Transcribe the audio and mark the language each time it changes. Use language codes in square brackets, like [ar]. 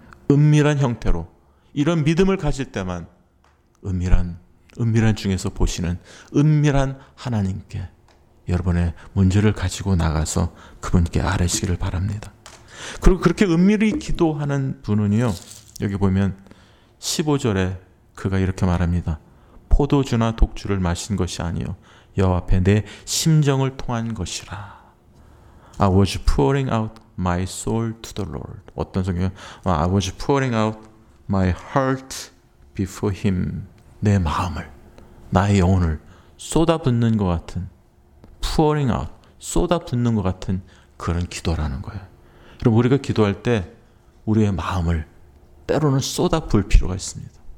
[ko] 은밀한 형태로 이런 믿음을 가질 때만 은밀한 중에서 보시는 은밀한 하나님께 여러분의 문제를 가지고 나가서 그분께 아뢰시기를 바랍니다. 그리고 그렇게 은밀히 기도하는 분은요, 여기 보면 15절에 그가 이렇게 말합니다. 포도주나 독주를 마신 것이 아니요 여호와 앞에 내 심정을 통한 것이라. [en] I was pouring out my soul to the Lord. [ko] 어떤 성경은 [en] I was pouring out my heart before him. [ko] 내 마음을, 나의 영혼을 쏟아붓는 것 같은 [en] pouring out, [ko] 쏟아붓는 것 같은 그런 기도라는 거예요. 그럼 우리가 기도할 때 우리의 마음을 때로는 쏟아부을 필요가 있습니다.